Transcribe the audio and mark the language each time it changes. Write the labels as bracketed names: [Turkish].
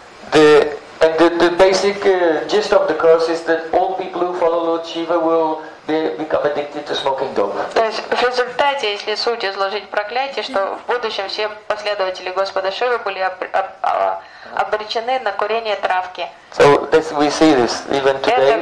[English] The basic gist of the curse is that all people who follow Lord Shiva will become addicted to smoking dope. [Russian] То есть в результате, если суть изложить проклятие, что в будущем все последователи Господа Шивы были обречены на курение травки. [English] So this we see this even today.